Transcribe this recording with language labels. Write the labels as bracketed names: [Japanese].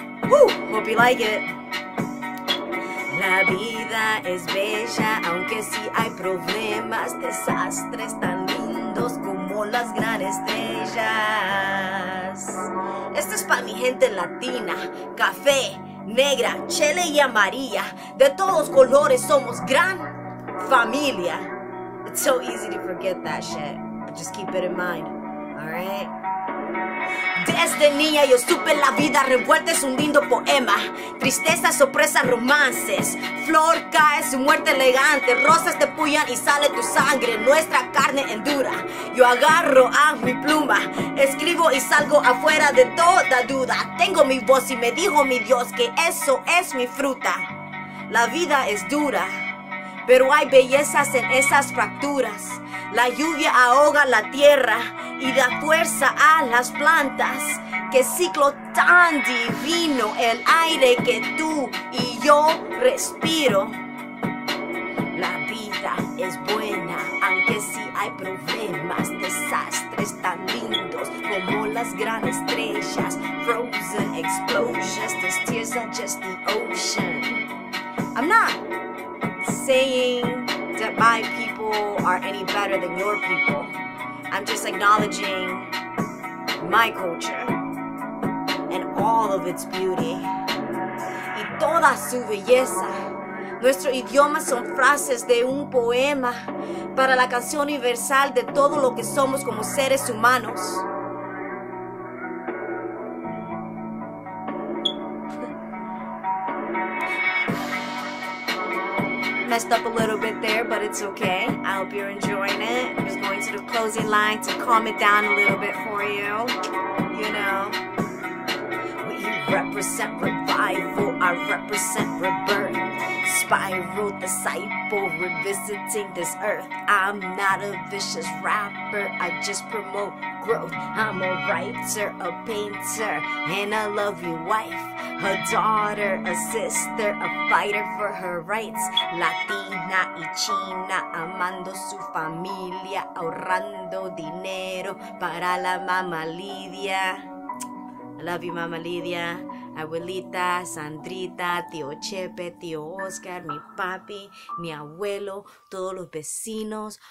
[English] Hope you like it. [Spanish] La vida es bella, aunque sí hay problemas, desastres tan lindos como las grandes estrellas. Esto es para mi gente latina, café, negra, chele y amarilla. De todos colores somos gran familia. [English] It's so easy to forget that shit, but just keep it in mind, alright? [Spanish] Desde niña yo supe la vida revuelta es un lindo poema. Tristeza, sorpresa, romances. Flor cae, su muerte elegante. Rosas te puyan y sale tu sangre. Nuestra carne endura. Yo agarro a mi pluma. Escribo y salgo afuera de toda duda. Tengo mi voz y me dijo mi Dios que eso es mi fruta. La vida es dura, pero hay bellezas en esas fracturas. La lluvia ahoga la tierra y da fuerza a las plantas. Qué ciclo tan divino el aire que tú y yo respiro. La vida es buena, aunque sí hay problemas, desastres tan lindos como las grandes estrellas. [English] Frozen explosions, these tears are just the ocean. I'm not saying that my people are any better than your people. I'm just acknowledging my culture and all of its beauty. [Spanish] Y toda su belleza. Nuestro idioma son frases de un poema para la canción universal de todo lo que somos como seres humanos. [English] Messed up a little bit there, but it's okay. I hope you're enjoying it. I'm just going to the closing line to calm it down a little bit for you. You know. We represent revival, I represent rebirth. Spiral disciple revisiting this earth. I'm not a vicious rapper, I just promote growth. I'm a writer, a painter, and a lovely wife. A daughter, a sister, a fighter for her rights. [Spanish] Latina y China, amando su familia, ahorrando dinero para la mamá Lidia. [English] I love you, [Spanish] mamá Lidia. Abuelita, Sandrita, tío Chepe, tío Oscar, mi papi, mi abuelo, todos los vecinos.